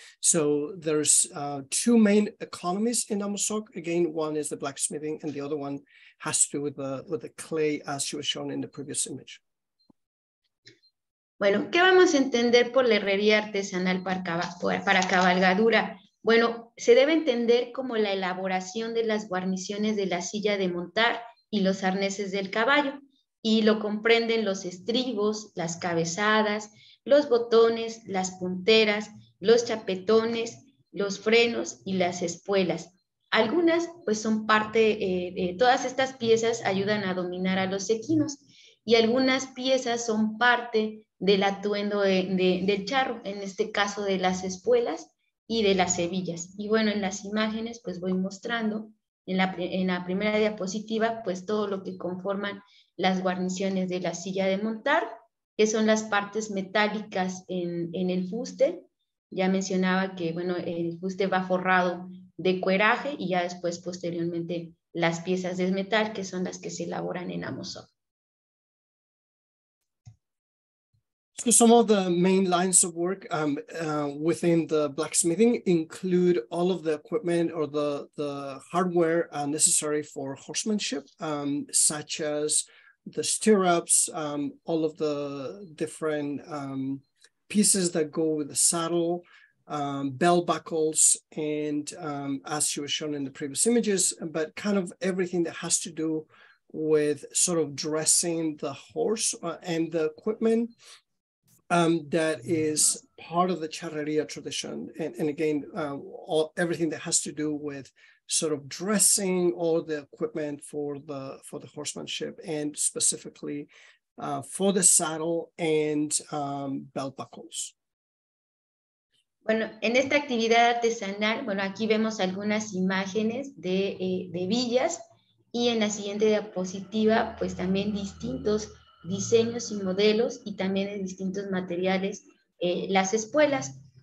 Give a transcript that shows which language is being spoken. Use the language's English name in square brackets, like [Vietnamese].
[English] So there's two main economies in Amozoc. Again, one is the blacksmithing, and the other one has to do with the clay, as she was shown in the previous image. [Spanish] Bueno, ¿qué vamos a entender por la herrería artesanal para cabalgadura? Bueno, se debe entender como la elaboración de las guarniciones de la silla de montar y los arneses del caballo, y lo comprenden los estribos, las cabezadas, los botones, las punteras, los chapetones, los frenos y las espuelas. Algunas, pues, son parte, todas estas piezas ayudan a dominar a los equinos y algunas piezas son parte del atuendo del charro, en este caso de las espuelas y de las hebillas. Y bueno, en las imágenes, pues, voy mostrando en la primera diapositiva, pues, todo lo que conforman las guarniciones de la silla de montar, que son las partes metálicas en el fuste. Ya mencionaba que, bueno, el fuste va forrado de cueraje y ya después, posteriormente, las piezas de metal, que son las que se elaboran en Amazon. [English] So some of the main lines of work within the blacksmithing include all of the equipment or the hardware necessary for horsemanship, such as the stirrups, all of the different pieces that go with the saddle, bell buckles, and as you were shown in the previous images, but kind of everything that has to do with sort of dressing the horse and the equipment that is part of the charrería tradition. And again, everything that has to do with sort of dressing all the equipment for the horsemanship, and specifically for the saddle and belt buckles. [Spanish] Bueno, en esta actividad artesanal, bueno, aquí vemos algunas imágenes de hebillas, y en la siguiente diapositiva, pues también distintos diseños y modelos, y también de distintos materiales, las espuelas.